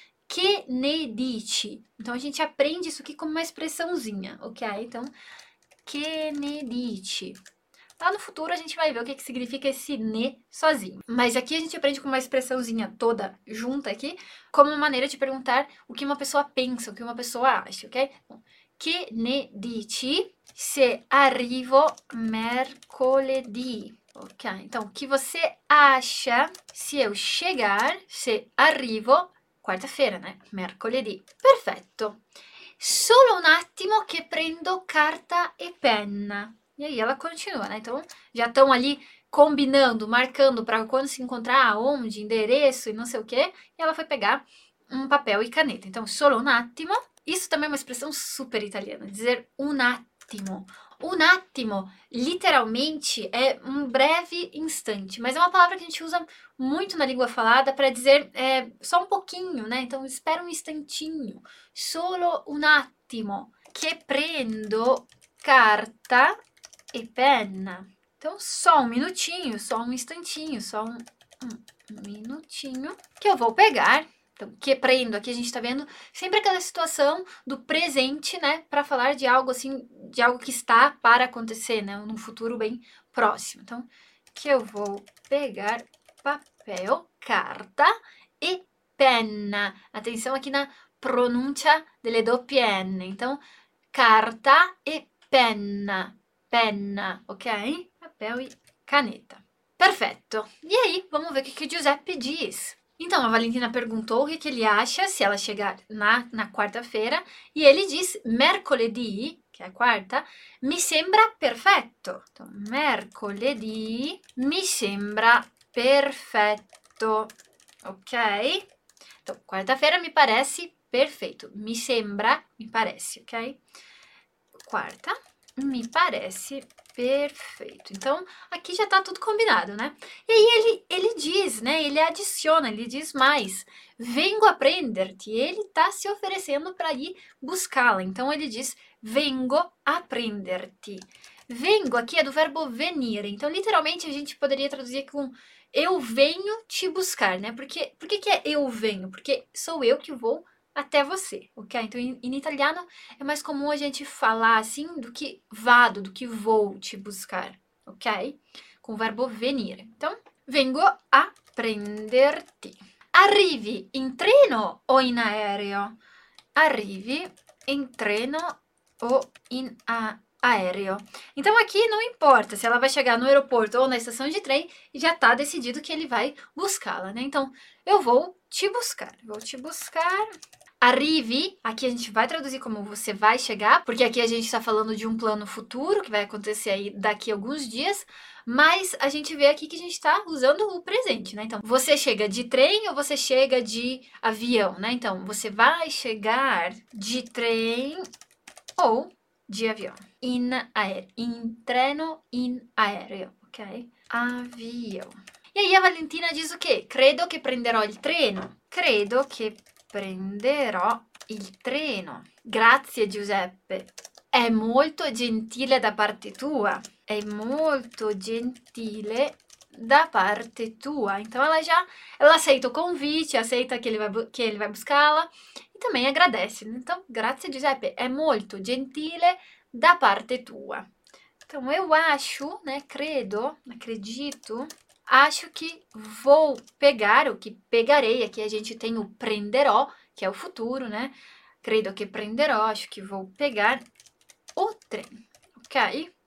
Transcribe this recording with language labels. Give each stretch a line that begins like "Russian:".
Italian: Que ne dici?
Portuguese: Então a gente aprende isso aqui como uma expressãozinha, ok? Então, que ne dici? Lá no futuro a gente vai ver o que que significa esse ne sozinho. Mas aqui a gente aprende com uma expressãozinha toda junta aqui, como uma maneira de perguntar o que uma pessoa pensa, o que uma pessoa acha, ok?
Italian: Bom, che ne dici se arrivo mercoledì?
Portuguese: Ok, então, o que você acha se eu chegar, se arrivo quarta-feira, né?
Italian: Mercoledì. Perfetto. Solo un attimo che prendo carta e penna.
Portuguese: E aí ela continua, né? Então, já estão ali combinando, marcando para quando se encontrar, aonde, endereço e não sei o quê. E ela foi pegar um papel e caneta. Então,
Italian: solo un attimo.
Portuguese: Isso também é uma expressão super italiana, dizer un attimo. Un attimo, literalmente, é um breve instante, mas é uma palavra que a gente usa muito na língua falada para dizer só um pouquinho, né? Então, espera um instantinho.
Italian: Solo un attimo, che prendo carta e penna.
Portuguese: Então, só um minutinho, só um instantinho, só um minutinho que eu vou pegar. Então, que prendo, aqui a gente tá vendo sempre aquela situação do presente, né? Pra falar de algo assim, de algo que está para acontecer, né? Num futuro bem próximo. Então, que eu vou pegar papel,
Italian: carta e penna.
Portuguese: Atenção aqui na pronúncia
Italian: delle doppie
Portuguese: N. Então,
Italian: carta e penna.
Portuguese: Penna, ok? Papel e caneta. Perfetto. E aí, vamos ver o que, que o Giuseppe diz. Então, a Valentina perguntou o que, que ele acha se ela chegar na quarta-feira, e ele diz, mercoledì, que é a quarta,
Italian: mi sembra perfetto. Então, mercoledì mi sembra perfetto, ok?
Portuguese: Então, quarta-feira mi parece perfeito, mi sembra, mi parece, ok? Quarta, mi parece perfeito. Então, aqui já tá tudo combinado, né? E aí ele diz, né? Ele adiciona, ele diz mais.
Italian: Vengo a prenderti.
Portuguese: Ele tá se oferecendo para ir buscá-la. Então, ele diz,
Italian: vengo a prenderti.
Portuguese: Vengo aqui é do verbo venir. Então, literalmente, a gente poderia traduzir com eu venho te buscar, né? Por que que é eu venho? Porque sou eu que vou até você, ok? Então, em italiano, é mais comum a gente falar assim do que vado, do que vou te buscar, ok? Com o verbo venire. Então,
Italian: vengo a prenderti. Arrivi in treno o in aereo? Arrivi in treno o in aereo.
Portuguese: Então, aqui não importa se ela vai chegar no aeroporto ou na estação de trem, já tá decidido que ele vai buscá-la, né? Então, eu vou te buscar. Vou te buscar. Arrivi, aqui a gente vai traduzir como você vai chegar, porque aqui a gente está falando de um plano futuro, que vai acontecer aí daqui a alguns dias, mas a gente vê aqui que a gente está usando o presente, né? Então, você chega de trem ou você chega de avião, né? Então, você vai chegar de trem ou de avião.
Italian: In aereo, in treno, in aereo, ok?
Portuguese: Avião. E aí a Valentina diz o quê?
Italian: Credo che prenderò il treno. Credo che prenderò il treno. Grazie, Giuseppe. È molto gentile da parte tua. È molto gentile da parte tua.
Portuguese: Então, ela aceita o convite, aceita que ele vai buscá-la e também agradece. Então, grazie, Giuseppe.
Italian: È molto gentile da parte tua.
Portuguese: Então, eu acho, né, credo, acredito... Acho que vou pegar, o que pegarei, aqui a gente tem o prenderò, que é o futuro, né? Credo que prenderò, acho que vou pegar o trem, ok?